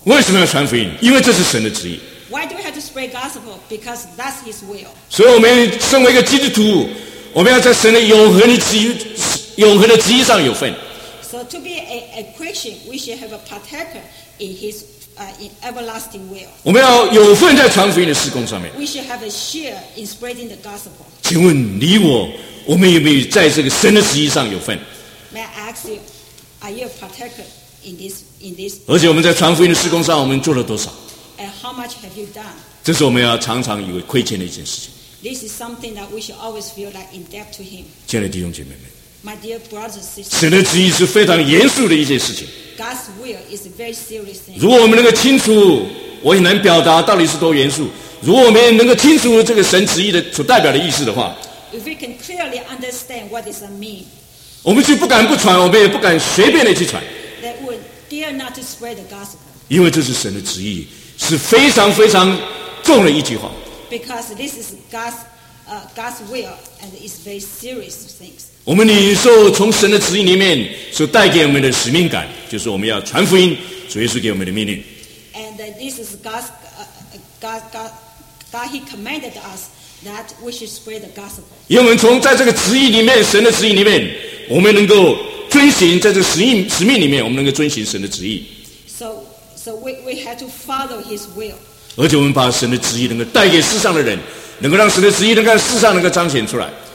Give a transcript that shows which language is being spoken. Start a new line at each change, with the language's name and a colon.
Chinese: 为什么要传福音？因为这是神的旨意。
English: Why do we have to spread gospel? Because that's His will.
Chinese: 所以我们身为一个基督徒。我们要在神的永恒的旨意上有份。
English: So to be a Christian, we should have a partaker in His in everlasting will.
Chinese: 我们要有份在传福音的事工上面。
English: We should have a share in spreading the gospel.
Chinese: 请问你我，我们有没有在这个神的旨意上有份
English: ？May I ask you, are you a partaker in this?
Chinese: 而且我们在传福音的事工上，我们做了多少
English: ？And how much have you done?
Chinese: 这是我们要常常以为亏欠的一件事情。
English: This is something that we should always feel like in debt to Him.
Chinese: 亲爱的弟兄姐妹们
English: ，My dear brothers and sisters,
Chinese: 神的旨意是非常严肃的一件事情。
English: God's will is a very serious thing.
Chinese: 如果我们能够清楚，我很难表达到底是多严肃。如果我们能够清楚这个神旨意的所代表的意思的话
English: ，If we can clearly understand what this means,
Chinese: 我们就不敢不传，我们也不敢随便的去传。
English: That we dare not to spread the gospel.
Chinese: 因为这是神的旨意，是非常非常重的一句话。
English: Because this is God's will, and it's very serious things.
Chinese: 我们领受从神的旨意里面所带给我们的使命感，就是我们要传福音，主耶稣给我们的命令。
English: And this is God, He commanded us that we should spread the gospel.
Chinese: 因为我们从在这个旨意里面，神的旨意里面，我们能够遵循在这个使命里面，我们能够遵循神的旨意。
English: So we have to follow His will.
Chinese: 而且我们把神的旨意能够带给世上的人，能够让神的旨意能够在世上能够彰显出来。